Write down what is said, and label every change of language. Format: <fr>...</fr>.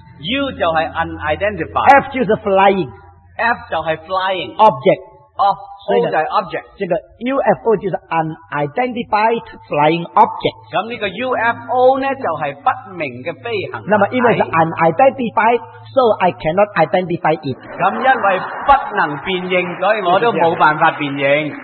<en>U</en> <zh>就是</zh> <en>unidentified. F</en> <zh>就是</zh> <en>flying. F</en> <zh>就是</zh> <en>flying. Object. Of, O</en> <zh>就是</zh> <en>object.</en> <zh>这个</zh> <en>UFO</en> <zh>就是</zh> <en>unidentified flying object.</en> <zh>那这个 UFO 呢就是不明的飞行。那么因为是</zh> <en>unidentified, so I cannot identify it.</en> <zh>那因为不能辨认，所以我都没办法辨认。</zh>